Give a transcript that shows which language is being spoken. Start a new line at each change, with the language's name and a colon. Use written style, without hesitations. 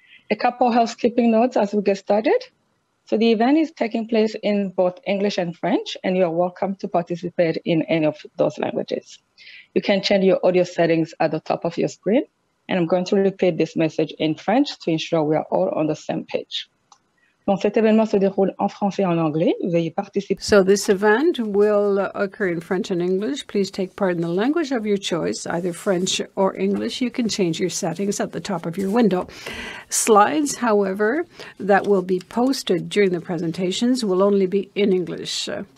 English: A couple housekeeping notes as we get started. So the event is taking place in both English and French, and you are welcome to participate in any of those languages. You can change your audio settings at the top of your screen. And I'm going to repeat this message in French to ensure we are all on the same page.
French: Donc cet événement se déroule en français et en anglais. Veuillez participer.
English: So this event will occur in French and English. Please take part in the language of your choice, either French or English. You can change your settings at the top of your window. Slides, however, that will be posted during the presentations will only be in English.